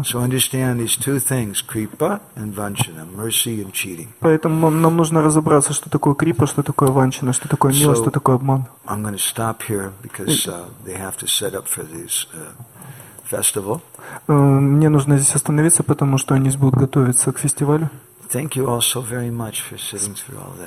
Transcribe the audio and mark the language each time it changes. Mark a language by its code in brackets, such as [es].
[en] So understand these two things: kripa and vanchana, mercy and cheating. [ru] Поэтому нам нужно разобраться, что такое крипа, что такое ванчана, что такое милость, что такое обман. [en] I'm going to stop here because they have to set up for this. Festival. [ru] Мне нужно здесь остановиться, потому что они будут готовиться к фестивалю. [en] Thank you all so very much for sitting through all this.